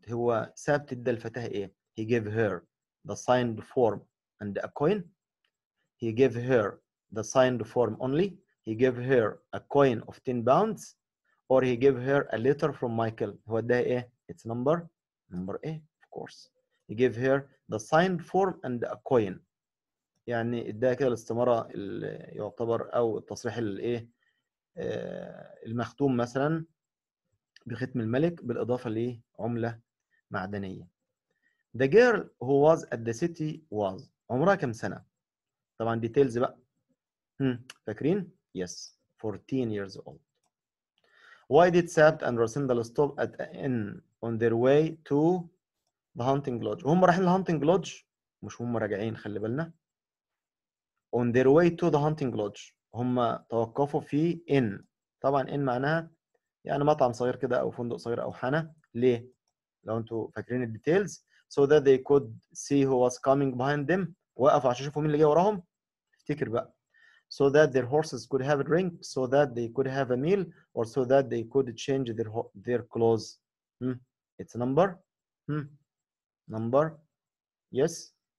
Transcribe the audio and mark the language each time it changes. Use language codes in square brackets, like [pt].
[ar] هو Sapt ادى الفتاة ايه؟ [en] He gave her the signed form and a coin. He gave her the signed form only. He gave her a coin of 10 pounds. Or he gave her a letter from Michael. [ar] هو ده ايه؟ [en] It's number A, of course. He gave her the signed form and a coin. [ar] يعني ادها كده الاستمارة اللي يعتبر او التصريح الايه؟ المختوم مثلا بختم الملك بالإضافة لعملة معدنية. [en] The girl who was at the city was [ar] عمرها كم سنة؟ طبعا [en] details [ar] بقى فاكرين؟ [en] Yes 14 years old. Why did Sapt and Rassendyll stop at an inn on their way to the hunting lodge؟ [ar] هم رايحين الهانتنج لودج مش هم راجعين خلي بالنا. [en] On their way to the hunting lodge [ar] هم توقفوا في إن. طبعا إن معناها يعني مطعم صغير كده أو فندق صغير أو حانة. ليه؟ لو أنتوا فاكرين الديتيلز. [en] So that they could see who was coming behind them. [ar] وقفوا عشان يشوفوا مين اللي جاي وراهم. افتكر بقى. [en] So that their horses could have a drink. So that they could have a meal. Or so that they could change their clothes. It's number. Number. Yes.